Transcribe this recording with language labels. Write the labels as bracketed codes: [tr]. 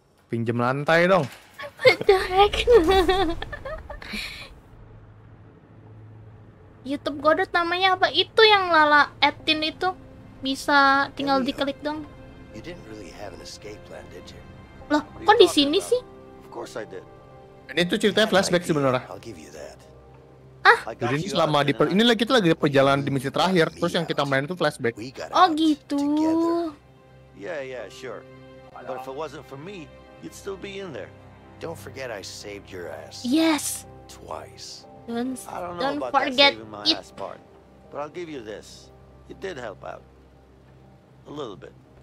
[id] Pinjem lantai dong. [en] What the heck? [id] YouTube Godot namanya apa? Itu yang Lala Etin itu. Bisa tinggal diklik dong. [en] You didn't really have an escape plan, did you? [id] Loh, kok di sini sih? [en] Of course I did. [id] Ini tuh ceritanya flashback sebenarnya. Ah, jadi ini selama di ini lagi kita lagi di perjalanan di misi terakhir, terus yang kita main itu flashback. Oh, gitu. [en] Yeah, sure. But if it wasn't for me, you'd still be in there. Don't forget I saved your ass. Yes. Twice. Don't forget it. But I'll give you this. You did help out. A little bit.